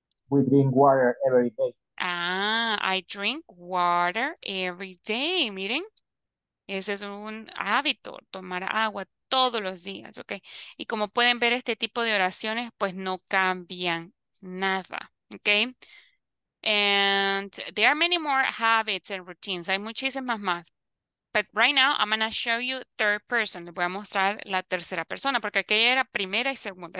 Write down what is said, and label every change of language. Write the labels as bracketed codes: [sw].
[en] We drink water every day. I drink water every day. [es] Miren, ese es un hábito, tomar agua todos los días, ¿ok? Y como pueden ver, este tipo de oraciones, pues no cambian nada, ¿ok? [en] And there are many more habits and routines. [es] Hay muchísimas más. [en] But right now, I'm going to show you third person. [es] Les voy a mostrar la tercera persona, porque aquella era primera y segunda.